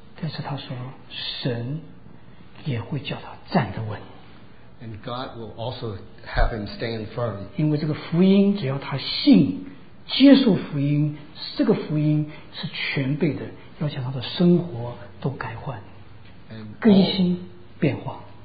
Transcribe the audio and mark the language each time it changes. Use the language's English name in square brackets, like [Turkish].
[Chinese] 但是他说，神也会叫他站得稳。 [English] And God will also have him stand firm. [Chinese] 因为这个福音，只要他信，接受福音，这个福音是全备的，要将他的生活都改换，更新变化。